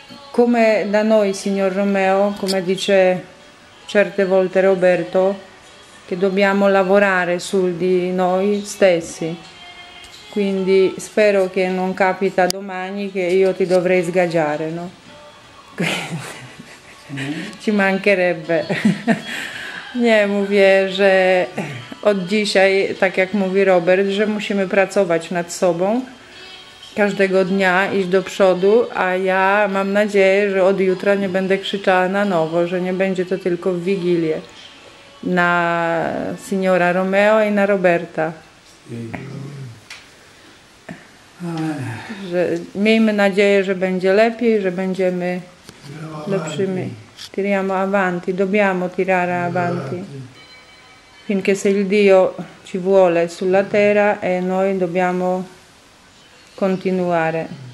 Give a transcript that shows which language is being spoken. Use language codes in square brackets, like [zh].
[it] Come da noi, signor Romeo, come dice certe volte Roberto, che dobbiamo lavorare su di noi stessi. Quindi spero che non capita domani che io ti dovrei sgaggiare, no? Ci mancherebbe. [pl] Nie, mówię, że od dzisiaj, tak jak mówi Robert, że musimy pracować nad sobą. Każdego dnia iść do przodu, a ja mam nadzieję, że od jutra nie będę krzyczała na nowo, że nie będzie to tylko w Wigilię na signora Romeo i na Roberta. Że miejmy nadzieję, że będzie lepiej, że będziemy lepszymi. [it] Tiriamo avanti, dobbiamo tirare avanti. Finché se il Dio ci vuole sulla terra e noi dobbiamo continuare.